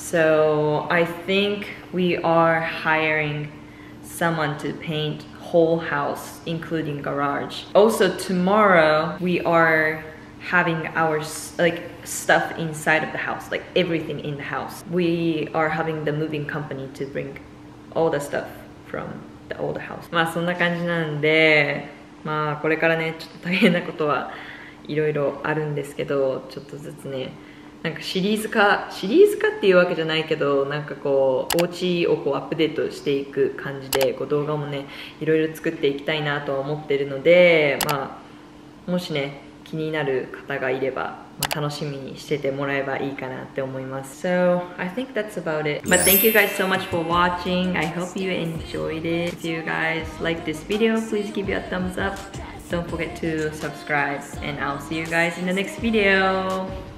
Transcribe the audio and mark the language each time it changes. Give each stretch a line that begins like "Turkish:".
English: So I think we are hiring someone to paint whole house, including garage. Also tomorrow we are having our like stuff inside of the house, like everything in the house. We are having the moving company to bring all the stuff from the old house.
Japanese: まあそんな感じなんで、まあこれからねちょっと大変なことはいろいろあるんですけど、ちょっとずつね、なんかシリーズ化っていうわけじゃないけど、なんかこうお家をこうアップデートしていく感じで、こう動画もねいろいろ作っていきたいなとは思ってるので、まあもしね気になる方がいれば、まあ、楽しみにしててもらえばいいかなって思います。
English: So I think that's about it. But thank you guys so much for watching. I hope you enjoyed it. If you guys like this video, please give it a thumbs up. Don't forget to subscribe. And I'll see you guys in the next video.